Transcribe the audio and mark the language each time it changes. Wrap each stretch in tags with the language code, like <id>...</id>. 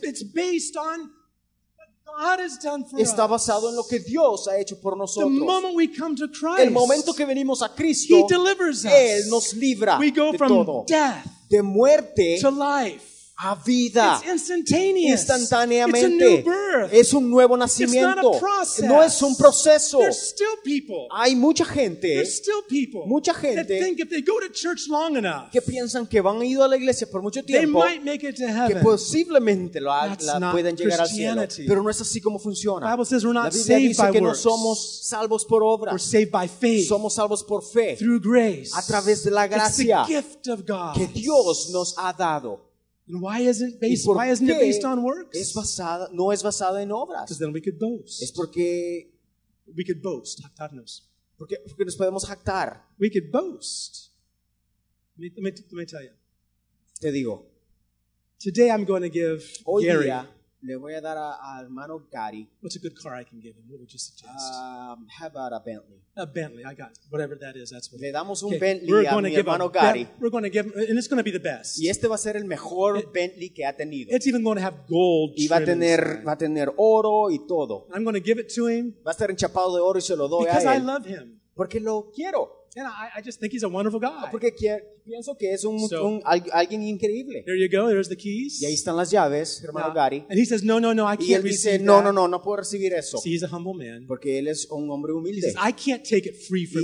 <en>It's based on what God has done for</en> <es>está</es> <en>us.</en> <es>Basado en lo que Dios ha hecho por nosotros.</es> <en>The moment we come to Christ,</en> <es>el momento que venimos a Cristo,</es> <en>He delivers us.</en> <es>Él nos libra.</es> <en>We go</en> <es>de</es> <en>from</en> <es>todo.</es> <en>Death</en> <es>de muerte</es> <en>to life.</en> <es>A vida.</es> <en>It's instantaneous.</en> <es>Instantáneamente.</es> <en>It's a new birth.</en> <es>Es un nuevo nacimiento.</es> <en>It's not a process.</en> <es>No es un proceso.</es> <en>There's still people.</en> <es>Hay mucha gente.</es> <en>There's still people.</en> <es>Mucha gente.</es> <en>That think if they go to church long enough.</en> <es>Que piensan que van a ir a la iglesia por mucho tiempo.</es> <en>They might make it to heaven.</en> <es>Que posiblemente lo puedan llegar al cielo. Pero no es así como funciona.</es> <en>The Bible says we're not saved by works. La</en> <es>Biblia dice que no somos salvos por obra.</es> <en>We're saved by faith.</en> <es>Somos salvos por fe.</es> <en>Through grace.</en> <es>A través de la gracia.</es> <en>It's the gift of God.</en> <es>Que Dios nos ha dado.</es> <en>And why isn't it based on works?</en> <es>No es basada en obras.</es> <en>Because then we could boast.</en> <es>Es porque</es> <en>we could boast, jactarnos.</en> <es>Porque nos podemos jactar.</es> <en>We could boast. Let me tell you.</en> <es>Te digo.</es> <en>Today I'm going to give</en> <es>hoy Gary. Día, le voy a dar a hermano Gary.</es> <en>What's a good car I can give him? What would you suggest? How about a Bentley? A Bentley, I got whatever that is. That's what. Le damos un okay. Bentley we're a going mi give hermano a, Gary. We're going to give him, and it's going to be the best.</en> <es>Y este va a ser el mejor Bentley que ha tenido.</es> <en>It's even going to have gold.</en> <es>Y va a tener oro y todo.</es> <en>I'm going to give it to him.</en> <es>Va a estar enchapado de oro y se lo doy</es> <en>because</en> <es>a él.</es> <en>I love him.</en> <es>Porque lo quiero.</es> <en>And I just think he's a wonderful guy.</en> <es>Porque pienso que es un alguien increíble.</es> <en>There you go. There's the keys.</en> <es>Y ahí están las llaves, hermano yeah. Gary.</es> <en>And he says, no, I can't receive</en> <es>Y él dice, no, puedo recibir eso.</es> <en>See, he's a humble man.</en> <es>Porque él es un hombre humilde.</es> <en>He says, I can't take it free from</en>